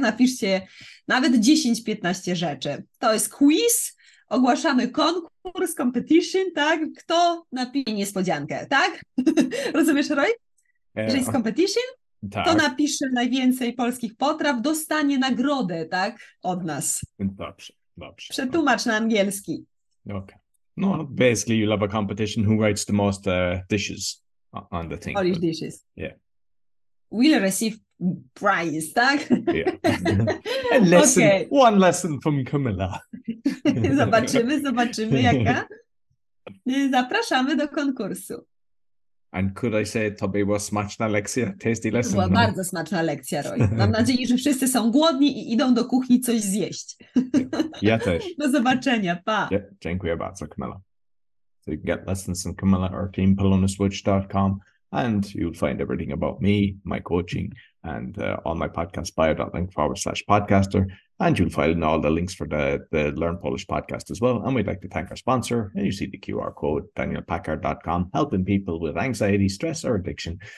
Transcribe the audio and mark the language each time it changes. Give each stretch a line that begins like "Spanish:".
Polish: Napiszcie nawet 10-15 rzeczy. To jest quiz, ogłaszamy konkurs, competition, tak? Kto napisze niespodziankę, tak? Rozumiesz, Roy? Jeżeli jest competition, to tak. napisze najwięcej polskich potraw, dostanie nagrodę, tak? Od nas. Dobrze, dobrze. Przetłumacz na angielski. Okej. Okay.
English: No, basically you love a competition who writes the most dishes on the thing. Polish dishes. Yeah. We'll receive prize, tak? Yeah. A lesson, okay. One lesson from Camilla.
Polish: Zobaczymy, zobaczymy jaka. Zapraszamy do konkursu.
English: And could I say
Polish: to była smaczna lekcja,
English: tasty lesson?
Polish: To była bardzo smaczna lekcja, Roy. Mam nadzieję, że wszyscy są głodni i idą do kuchni coś zjeść. Ja też. Do zobaczenia, pa. Yeah, dziękuję bardzo, Kamila.
English: So you can get lessons from Kamila or teampolonaswitch.com and you'll find everything about me, my coaching, and all my podcast bio.link/podcaster. And you'll find all the links for the Learn Polish podcast as well. And we'd like to thank our sponsor. And you see the QR code, danielpackard.com, helping people with anxiety, stress, or addiction.